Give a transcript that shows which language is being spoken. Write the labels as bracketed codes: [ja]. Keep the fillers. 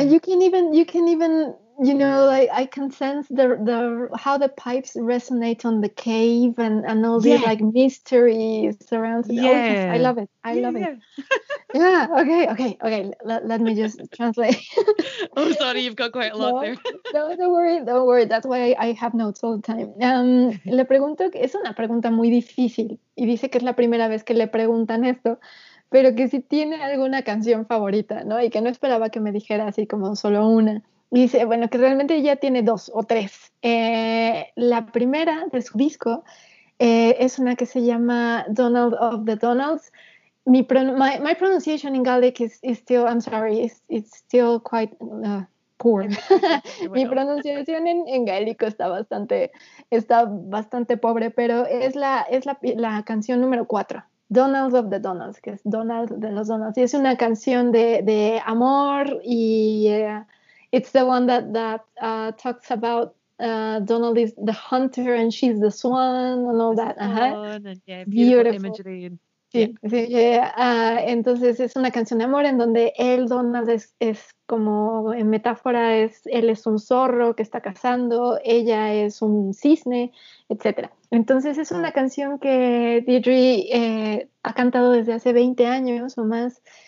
[en] And you can even you can even you know, like I can sense the the how the pipes resonate on the cave and and all these, yeah. the like mysteries around. It. Yeah. Oh, yes, I love it. I yeah. love it. yeah. Okay. Okay. Okay. L let me just translate. oh, sorry, you've got quite a no, lot there. no, don't worry. Don't worry. That's why I, have notes all the time. [es] Um, le pregunto que es una pregunta muy difícil y dice que es la primera vez que le preguntan esto. pero que si tiene alguna canción favorita, ¿no? Y que no esperaba que me dijera así como solo una. dice, bueno, que realmente ya tiene dos o tres. Eh, la primera de su disco eh, es una que se llama Donald of the Donalds. [en] Mi pron my, my pronunciation in Gaelic is, is still, I'm sorry, it's, it's still quite uh, poor. [es] Sí, bueno. Mi pronunciación en, en gaélico está bastante, está bastante pobre, pero es la, es la, la, canción número cuatro. Donald of the Donalds, que es Donald de los Donalds. Y es una canción de, de amor y... [en] Eh, [es] es la [en] one that that uh, talks about, uh, Donald is the hunter and she's the swan and all that. beautiful, [es] entonces es una canción de amor en donde él, Donald, es, es, como en metáfora, es, él es un zorro que está cazando, ella es un cisne, etc. Entonces es una canción que Deirdre eh, ha cantado desde hace 20 años o más.